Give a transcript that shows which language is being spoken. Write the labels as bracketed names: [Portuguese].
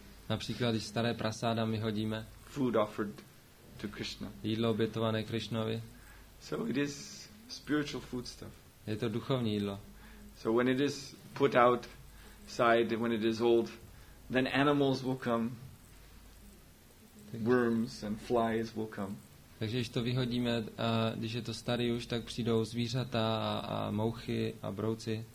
[Czech] Například, když staré prasádam vyhodíme. [English] Food offered to Krishna. [Czech] Jídlo obětované Krishnovi. [English] So it is spiritual food stuff. [Czech] Je to duchovní jídlo. [English] So when it is put out side when it is old, then animals will come, worms and flies will come. [Czech] Takže když to vyhodíme, když je to starý už, tak přijdou zvířata a mouchy a brouci.